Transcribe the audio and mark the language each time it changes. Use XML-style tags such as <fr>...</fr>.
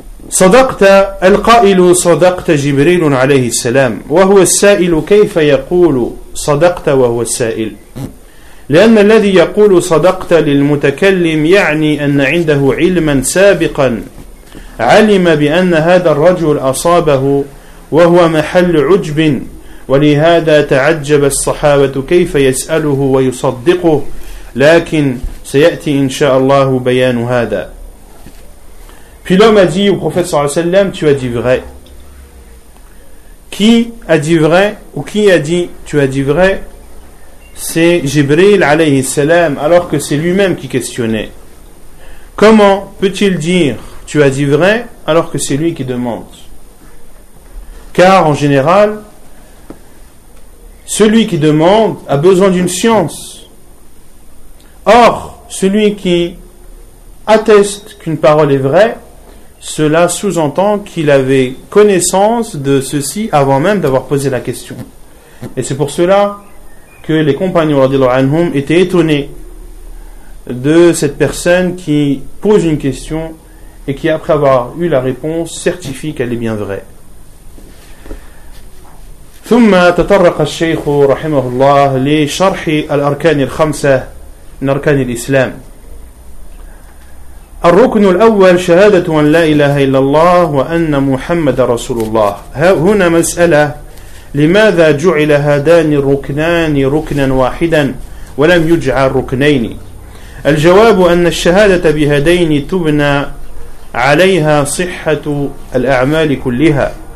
<ar>صدقت القائل صدقت جبريل عليه السلام وهو السائل كيف يقول صدقت وهو السائل لأن الذي يقول صدقت للمتكلم يعني أن عنده علما سابقا علم بأن هذا الرجل أصابه وهو محل عجب ولهذا تعجب الصحابة كيف يسأله ويصدقه لكن سيأتي إن شاء الله بيان هذا.</ar> <fr>Puis l'homme a dit au prophète sallallahu alayhi wa sallam, tu as dit vrai. Qui a dit vrai, ou qui a dit tu as dit vrai? C'est Jibril alayhi salam, alors que c'est lui-même qui questionnait. Comment peut-il dire tu as dit vrai, alors que c'est lui qui demande? Car en général, celui qui demande a besoin d'une science. Or, celui qui atteste qu'une parole est vraie, cela sous-entend qu'il avait connaissance de ceci avant même d'avoir posé la question. Et c'est pour cela que les compagnons étaient étonnés de cette personne qui pose une question et qui, après avoir eu la réponse, certifie qu'elle est bien vraie.</fr> <ar>ثم تطرق الشيخ رحمه الله لشرح الأركان الخمسة من أركان الإسلام. الركن الأول شهادة أن لا إله إلا الله وأن محمد رسول الله. هنا مسألة: لماذا جعل هذان الركنان ركنا واحدا ولم يجعل ركنين؟ الجواب أن الشهادة بهذين تبنى عليها صحة الأعمال كلها،</ar>